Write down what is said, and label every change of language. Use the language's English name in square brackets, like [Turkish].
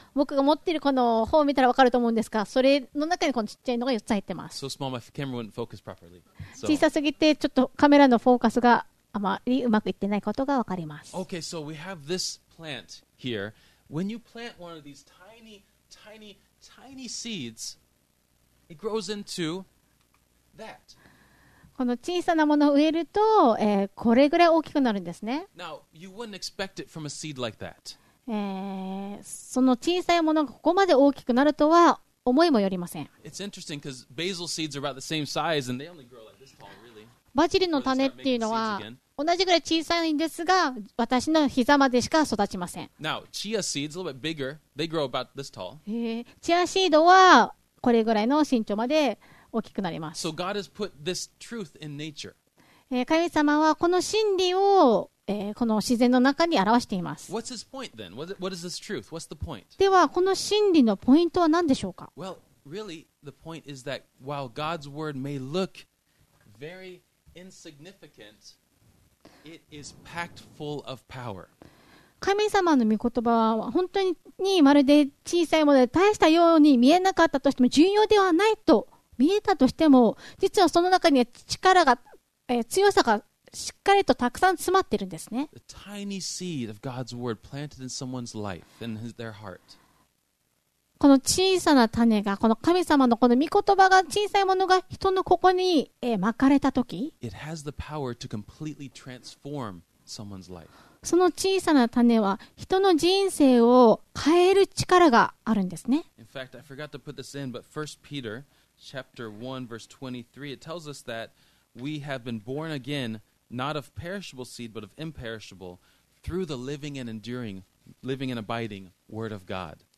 [Japanese] 僕が持ってるこの本を見たら分かると思うんですが、それの中にこの小さいのが4つ入ってます。 [English] So small, my camera wouldn't focus properly. So... [Japanese] 小さすぎてちょっとカメラのフォーカスがあまりうまくいってないことが分かります。 [English] Okay, so we have this plant here. When you plant one of these tiny seeds, it grows into that. [Japanese] この小さなものを植えると、これぐらい大きくなるんですね。 [English] Now, you wouldn't expect it from a seed like that. [Japanese] その小さいものがここまで大きくなるとは思いもよりません。 [English] It's interesting because basil seeds are about the same size and they only grow like this tall, really. [Japanese] バジルの種っていうのは同じぐらい小さいんですが、私の膝までしか育ちません。 [English] Now, chia seeds, a little bit bigger, they grow about this tall. [Japanese] チアシードはこれぐらいの身長まで大きくなります。 [English] So God has put this truth in nature. [Japanese] 神様はこの真理を、この自然の中に表しています。 [English] What's his point then? What is this truth? What's the point? [Japanese] ではこの真理のポイントは何でしょうか。 [English] Well, really, the point is that while God's word may look very insignificant, it is packed full of power. [Japanese] 神様の御言葉は本当にまるで小さいもので大したように見えなかったとしても重要ではないと見えたとしても、実はその中に力が、強さがしっかりとたくさん詰まってるんですね。 [English] The tiny seed of God's word planted in someone's life and their heart. [Japanese] この小さな種が、この神様のこの御言葉が、小さいものが人のここに、まかれたとき、 [English] It has the power to completely transform someone's life. [Japanese] その小さな種は人の人生を変える力があるんですね。 [English] In fact, I forgot to put this in, but 1 Peter chapter 1 verse 23, it tells us that we have been born again. Not of perishable seed, but of imperishable, through the living and enduring, living and abiding Word of God.